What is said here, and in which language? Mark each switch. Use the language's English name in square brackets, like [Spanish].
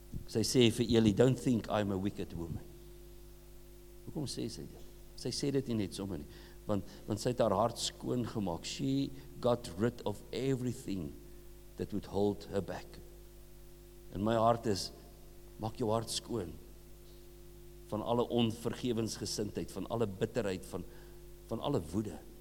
[Afrikaans] Sy sê vir Eli, [English] don't think I'm a wicked woman. [Afrikaans] Hoekom sê sy dit? Sy sê dit nie net sommer nie, want sy het haar hart skoon gemaak. [English] She got rid of everything that would hold her back. [Afrikaans] En my hart is, maak jou hart skoon van alle onvergewensgesindheid, van alle bitterheid, van alle woede.